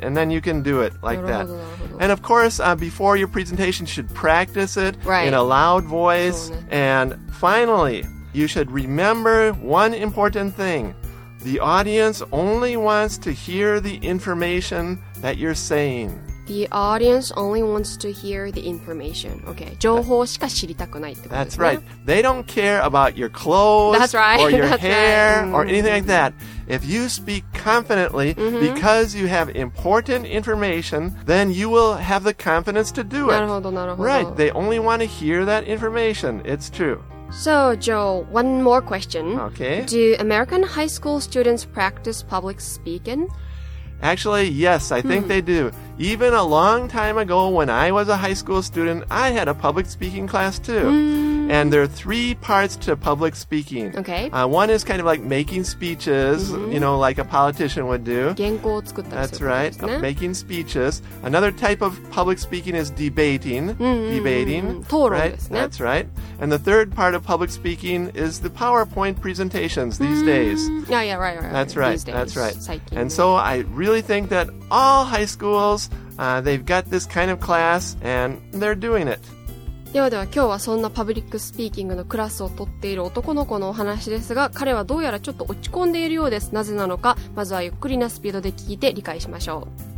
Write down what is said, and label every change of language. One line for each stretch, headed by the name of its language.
English: And then you can do it like that. And of course, before your presentation, you should practice it in a loud voice. And finally, you should remember one important thing. The audience only wants to hear the information that you're saying. The audience only wants to hear the information. Okay,
Japanese: 情報しか知りたくないってことですね。
English: That's right. They don't care about your clothes or your hair or anything like that. If you speak confidently because you have important information, then you will have the confidence to do it.
Japanese: なるほど、なるほど。
English: Right. They only want to hear that information. It's true. So, Joe, one more question. Okay. Do American high school students practice public speaking? Actually, yes, I think they do. Even a long time ago, when I was a high school student, I had a public speaking class too. And there are three parts to public speaking. Okay. One is kind of like making speeches, you know, like a politician would do.
Japanese: 原稿を作ったりするんですね。
English: That's right, making speeches. Another type of public speaking is debating. That's right. And the third part of public speaking is the PowerPoint presentations these days. That's right. And so I really think that all high schools, they've got this kind of class and they're doing it.
Japanese: ではでは今日はそんなパブリックスピーキングのクラスを取っている男の子のお話ですが、彼はどうやらちょっと落ち込んでいるようです。なぜなのか、まずはゆっくりなスピードで聞いて理解しましょう。